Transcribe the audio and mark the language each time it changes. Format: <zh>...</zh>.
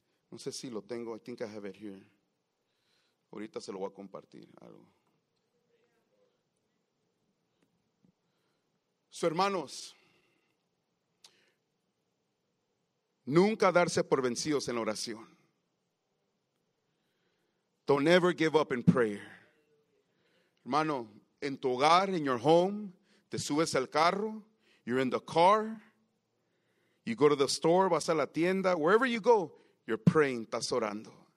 <es>No sé si lo tengo,</es> <en>I think I have it here.</en> <es>Ahorita se lo voy a compartir algo. So, hermanos, nunca darse por vencidos en la oración.</es> <en>Don't ever give up in prayer.</en> <es>Hermano, en tu hogar,</es> <en>in your home,</en> <es>te subes al carro,</es> <en>you're in the car, you go to the store,</en> <es>vas a la tienda,</es> <en>wherever you go, you're praying,</en> <es>estás orando.</es>